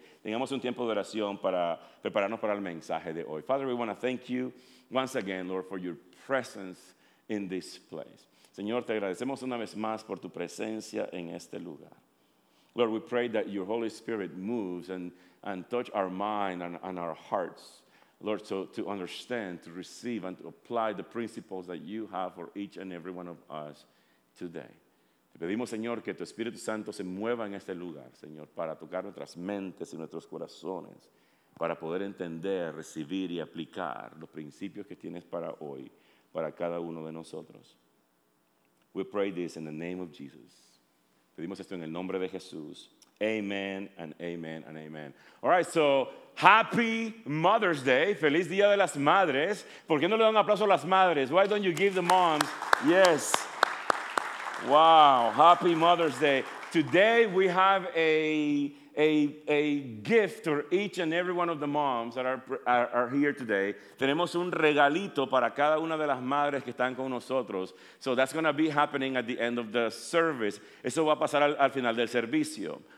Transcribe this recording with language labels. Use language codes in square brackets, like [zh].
[es] tengamos un tiempo de oración para prepararnos para el mensaje de hoy. [en] Father, we want to thank you once again, Lord, for your presence in this place. [es] Señor, te agradecemos una vez más por tu presencia en este lugar. [en] Lord, we pray that your Holy Spirit moves and touch our mind and our hearts, Lord, so to understand, to receive, and to apply the principles that you have for each and every one of us today. [es] Te pedimos, Señor, que tu Espíritu Santo se mueva en este lugar, Señor, para tocar nuestras mentes y nuestros corazones, para poder entender, recibir y aplicar los principios que tienes para hoy, para cada uno de nosotros. [en] We pray this in the name of Jesus. [es] Pedimos esto en el nombre de Jesús. [en] Amen and amen and amen. All right, so happy Mother's Day. [es] Feliz Día de las Madres. ¿Por qué no le dan aplauso a las madres? [en] Why don't you give the moms? Yes. Wow, happy Mother's Day. Today we have a gift for each and every one of the moms that are here today. [es] Tenemos un regalito para cada una de las madres que están con nosotros. [en] So that's going to be happening at the end of the service. [es] Eso va a pasar al final del servicio.